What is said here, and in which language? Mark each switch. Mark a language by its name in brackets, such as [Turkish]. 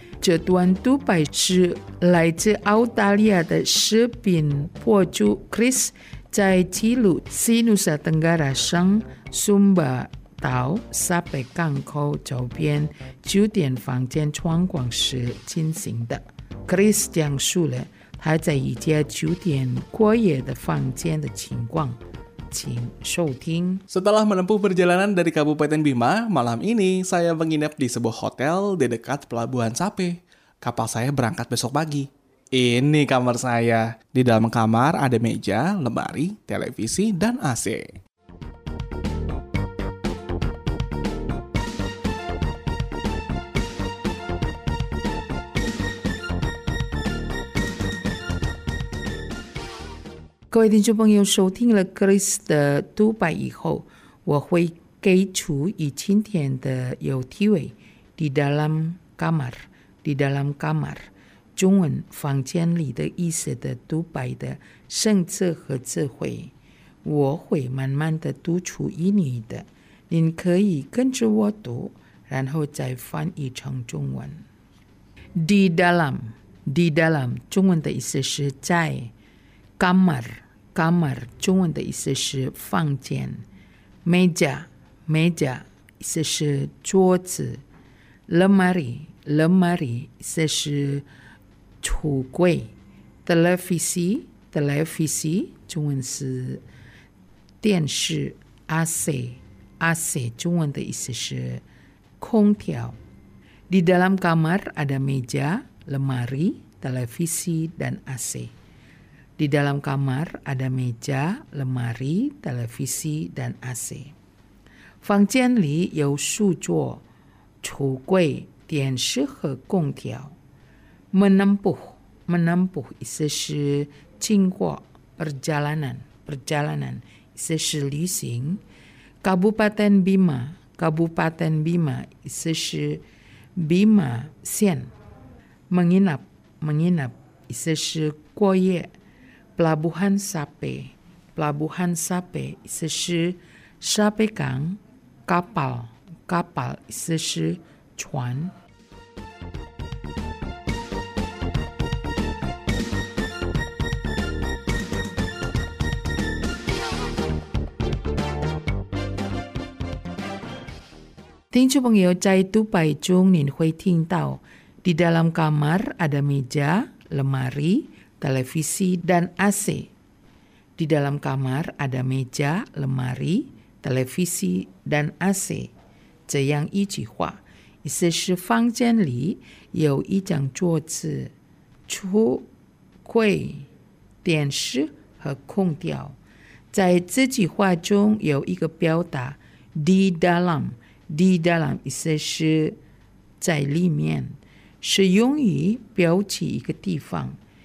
[Chinese] 这段独白是来自澳大利亚的视频博主 Chris 在记录西努萨登加拉省松巴岛沙北港口周边酒店房间窗光时进行的。 Chris 讲述了他在一家酒店过夜的房间的情况，请收听。 [Indonesian] Setelah menempuh perjalanan dari Kabupaten Bima, malam ini saya menginap di sebuah hotel di dekat Pelabuhan Sape. Kapal saya berangkat besok pagi. Ini kamar saya. Di dalam kamar ada meja, lemari, televisi, dan AC. [Chinese] 各位听众朋友，收听了 Chris 的独白以后，我会给出以今天的有题为 [Indonesian] Di dalam kamar， Di dalam kamar， [Chinese] 中文房间里的意思的独白的生字和智慧，我会慢慢的读出一语的，您可以跟着我读，然后再翻译成中文。 [Indonesian] Di dalam， Di dalam， [Chinese] 中文的意思是在。 Kamar, kamar, 中文的意思是房间。 Meja, meja, 意思是桌子。 Lemari, lemari, 意思是橱柜。 Televisi, televisi, 中文是电视。 AC, AC, 中文的意思是空调。 [Indonesian] Di dalam kamar ada meja, lemari, televisi, dan AC. Di dalam kamar ada meja, lemari, televisi, dan AC. [Chinese] 房间里有书桌、橱柜、电视和空调。 Menempuh, menempuh, 意思是经过 perjalanan, perjalanan, 意思是旅行。 Kabupaten Bima, Kabupaten Bima, 意思是 Bima 县。 Menginap, menginap, 意思是过夜。 Pelabuhan Sape, Pelabuhan Sape, 意思是 Sape Gang, Kapal, Kapal, 意思是船。听众朋友，在独白中您会听到 [Indonesian] Di dalam kamar ada meja, lemari,televisi dan AC. Di dalam kamar ada meja, lemari, televisi dan AC. [Chinese] 这样一句话，意思是房间里有一张桌子、橱柜、电视和空调。在这句话中有一个表达 [Indonesian] di dalam， di dalam [Chinese] 意思是在里面，是用于表示一个地方。